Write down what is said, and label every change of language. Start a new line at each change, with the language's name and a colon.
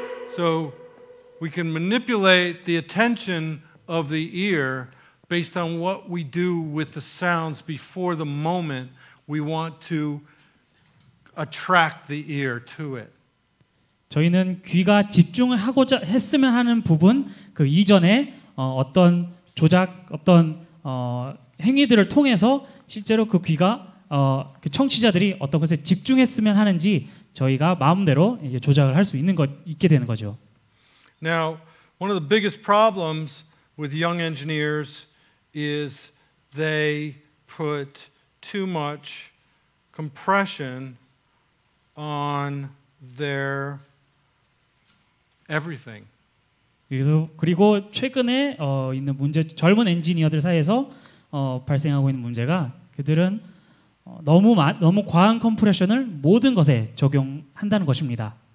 English: So we can manipulate the attention of the ear based on what we do with the sounds before the moment we want to attract the ear to it.
Korean: 저희는 귀가 집중을 하고자 했으면 하는 부분 그 이전에 어떤 조작 어떤 행위들을 통해서 실제로 그 귀가 그 청취자들이 어떤 것에 집중했으면 하는지 저희가 마음대로 이제 조작을 할 수 있는 것 있게 되는 거죠.
English: Now, one of the biggest problems with young engineers is they put too much compression on their everything.
Korean: 그리고 최근에 있는 문제 젊은 엔지니어들 사이에서 발생하고 있는 문제가 그들은 너무 과한 컴프레션을 모든 것에 적용한다는 것입니다.